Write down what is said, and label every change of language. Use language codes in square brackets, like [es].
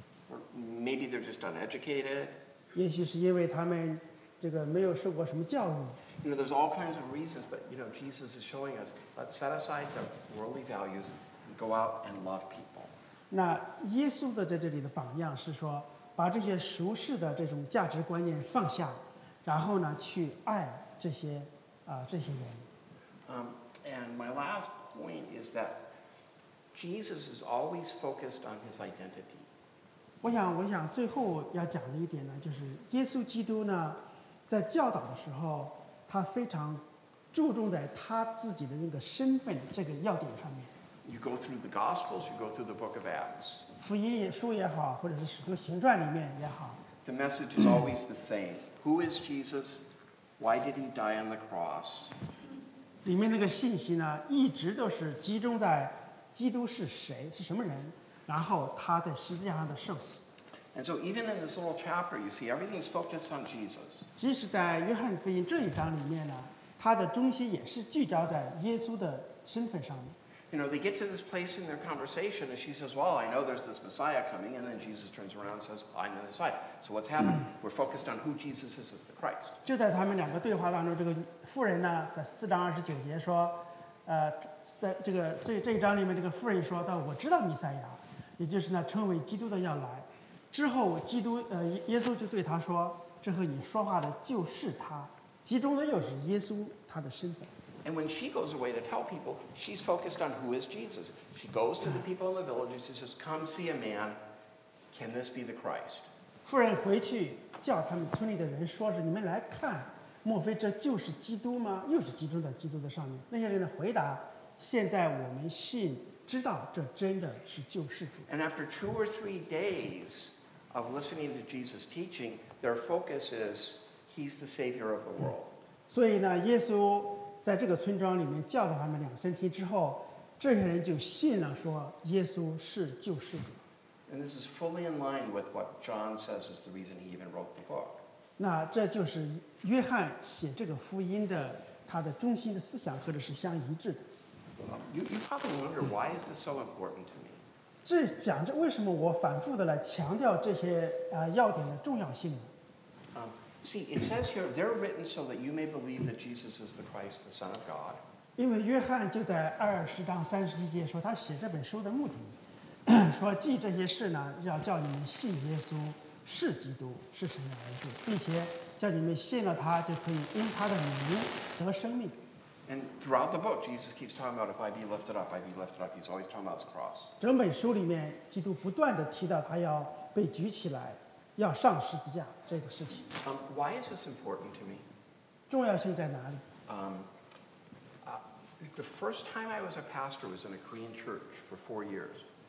[en] Or maybe they're just uneducated. [zh] 也许是因为他们这个没有受过什么教育。 [en] You know, there's all kinds of reasons, but you know, Jesus is showing us, let's set aside the worldly values and go out and love people. [zh] 那耶稣的在这里的榜样是说，把这些俗世的这种价值观念放下，然后呢去爱这些这些人。 [en] And my last point is that Jesus is always focused on his identity. [zh] 我想最后要讲的一点呢，就是耶稣基督呢，在教导的时候，他非常注重在他自己的那个身份这个要点上面。 [en] You go through the Gospels, you go through the Book of Acts. [zh] 福音书也好，或者是使徒行传里面也好。 [en] The message is always the same. Who is Jesus? Why did he die on the cross? [zh] 里面那个信息呢，一直都是集中在基督是谁，是什么人，然后他在十字架上的受死。 [en] And so even in this little chapter, you see everything's focused on Jesus. [zh] 即使在约翰福音这一章里面呢，他的中心也是聚焦在耶稣的身份上面。 [en] You know, they get to this place in their conversation, and she says, well, I know there's this Messiah coming, and then Jesus turns around and says, I'm the Messiah. So what's happening? We're focused on who Jesus is as the Christ. [zh] 就在他们两个对话当中，这个妇人呢，在四章二十九节说，在这一章里面，这个妇人说到，我知道弥赛亚，也就是呢，称为基督的要来。之后，基督，耶稣就对他说，这和你说话的就是他，集中的又是耶稣他的身份。 [en] And when she goes away to tell people, she's focused on who is Jesus. She goes to the people in the village and she says, come see a man. Can this be the Christ? [zh] 妇人回去叫他们村里的人说是你们来看莫非这就是基督吗又是集中在基督的上面。那些人的回答现在我们信知道这真的是救世主。 [en] And after two or three days of listening to Jesus' teaching, their focus is, he's the savior of the world. [zh] 所以呢耶稣在这个村庄里面教导他们两三天之后，这些人就信了，说耶稣是救世主。 [en] And this is fully in line with what John says is the reason he even wrote the book. [zh] 那这就是约翰写这个福音的他的中心的思想，或者是相一致的。 [en] You probably wonder why is this so important to me? [zh] 这讲着为什么我反复的来强调这些要点的重要性呢？ [en] See, it says here, they're written so that you may believe that Jesus is the Christ, the Son of God. [zh] 因为约翰就在二十章三十一节说，他写这本书的目的，说记这些事呢，要叫你们信耶稣是基督，是神的儿子，并且叫你们信了他，就可以因他的名得生命。 [en] And throughout the book, Jesus keeps talking about if I be lifted up, I be lifted up. He's always talking about his cross. [zh] 整本书里面，基督不断地提到他要被举起来。要上十字架这个事情。 [en] Why is this important to me? [zh] 重要性在哪里？ [en] The first time I was a pastor was in a Korean church for 4 years.